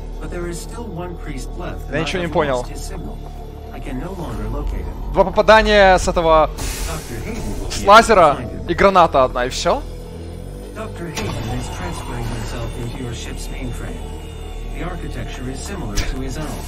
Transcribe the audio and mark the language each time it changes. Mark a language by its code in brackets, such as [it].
[en] But there is still one priest left. [ru] Я ничего не понял. [en] His signal. I can no longer locate him. [ru] Два попадания с этого с лазера и граната одна, и все? [en] Dr. Hayden is transferring himself into your ship's mainframe. The architecture is similar to his own.